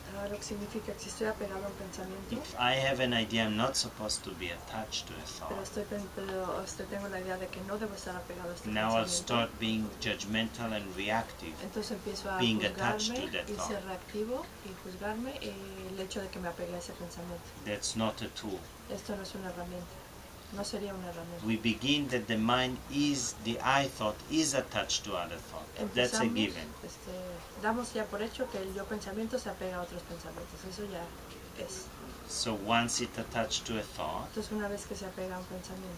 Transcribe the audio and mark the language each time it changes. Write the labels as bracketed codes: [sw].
[es] lo que significa, si estoy apegado a un pensamiento, [en] if I have an idea, I'm not supposed to be attached to a thought. [es] Pero estoy, pero tengo la idea de que no debo estar apegado a este pensamiento. [en] Now I'll start being judgmental and reactive. [es] Entonces empiezo a [en] being attached to that thought. [es] Y ser reactivo y juzgarme y el hecho de que me apegué a ese pensamiento. [en] That's not a tool. [es] Esto no es una herramienta. No sería una herramienta. [en] We begin that the mind is, the I thought is attached to other thought. [es] Empezamos, [en] that's a given. [es] Damos ya por hecho que el yo pensamiento se apega a otros pensamientos. Eso ya es. [en] So once it attached to a thought, [es] entonces una vez que se apega a un pensamiento,